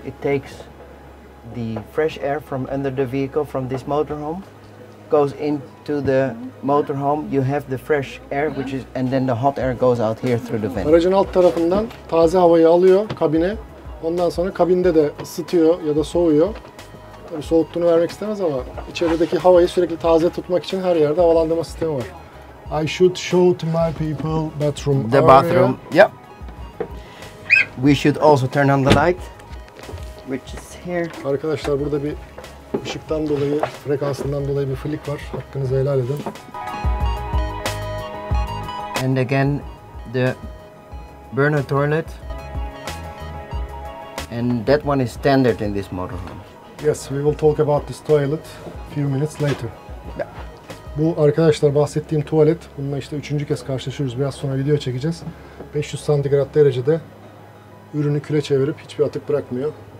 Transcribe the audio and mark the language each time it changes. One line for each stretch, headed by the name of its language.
English: It takes the fresh air from under the vehicle from this motorhome, goes into the motorhome. You have the fresh air, which is, and then the hot air goes out here through the vent.
Turkish: Aracın alt tarafından taze havayı alıyor kabine. Ondan sonra kabinde de ısıtıyor ya da soğuyor. Tabii soğuttuğunu vermek istemez ama içerideki havayı sürekli taze tutmak için her yerde havalandırma sistemi var.
English: I should show to my people bathroom the area. The bathroom. Yep. We should also turn on the light, which is here.
Turkish: Arkadaşlar burada bir ışıktan dolayı, frekansından dolayı bir flik var. Hakkınızı helal edin.
English: And again the burner toilet. And that one is standard in this motorhome. Yes, we will talk about this toilet few minutes later. Yeah.
Turkish: Bu arkadaşlar bahsettiğim tuvalet, bununla işte üçüncü kez karşılaşıyoruz. Biraz sonra video çekeceğiz. 500 santigrat derecede ürünü küle çevirip hiçbir atık bırakmıyor.